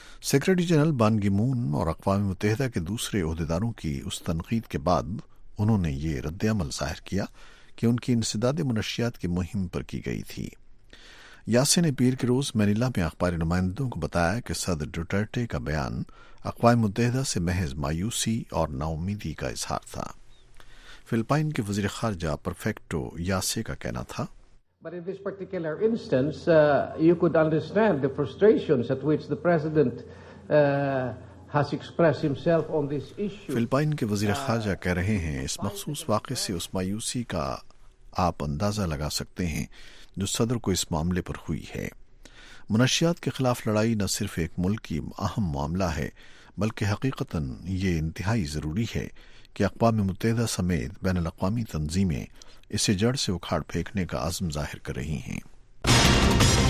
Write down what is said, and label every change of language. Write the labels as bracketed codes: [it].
[ur] Secretary general Ban کی مون اور اقوام متحدہ کے دوسرے عہدیداروں کی اس تنقید کے بعد انہوں نے یہ رد عمل ظاہر کیا کہ ان کی انسداد منشیات کی مہم پر کی گئی تھی. یاسے نے پیر کے روز مینیلا میں اخباری نمائندوں کو بتایا کہ صدر ڈوٹیٹے کا بیان اقوام متحدہ سے محض مایوسی اور ناامیدی کا اظہار تھا. فلپائن کے وزیر خارجہ پرفیکٹو یاسے کا کہنا تھا, [en] But in this particular instance, you could understand the frustrations at which the president has expressed himself on this issue. [ur] Philippines کے وزیر خارجہ کہہ رہے ہیں اس مخصوص واقعے سے اس مایوسی کا آپ اندازہ لگا سکتے ہیں جو صدر کو اس معاملے پر ہوئی ہے. منشیات کے خلاف لڑائی نہ صرف ایک ملک کی اہم معاملہ ہے بلکہ حقیقتاً یہ انتہائی ضروری ہے کہ اقوام متحدہ سمیت بین الاقوامی تنظیمیں اسے جڑ سے اکھاڑ پھینکنے کا عزم ظاہر کر رہی ہیں.